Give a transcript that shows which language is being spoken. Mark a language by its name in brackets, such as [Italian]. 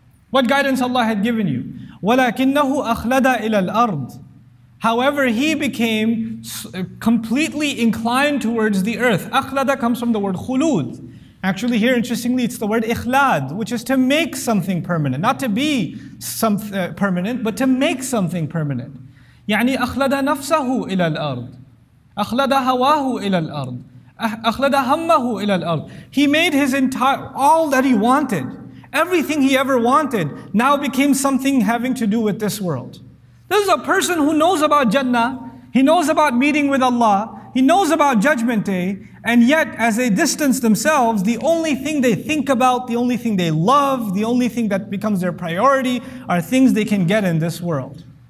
[English] What guidance Allah had given you. [Arabic] وَلَكِنَّهُ أَخْلَدَ إِلَى الْأَرْضِ [English] However, he became completely inclined towards the earth. أَخْلَدَ comes from the word خُلُود. Actually here, interestingly, it's the word إِخْلَاد, which is to make something permanent. Not to be permanent, but to make something permanent. [Arabic] يعني أَخْلَدَ نَفْسَهُ إِلَى الْأَرْضِ أَخْلَدَ هَوَاهُ إِلَى الْأَرْضِ أَخْلَدَ هَمَّهُ إِلَى الْأَرْضِ [English] He made his entire, all that he wanted. Everything he ever wanted now became something having to do with this world. This is a person who knows about Jannah, he knows about meeting with Allah, he knows about Judgment Day, and yet as they distance themselves, the only thing they think about, the only thing they love, the only thing that becomes their priority are things they can get in this world.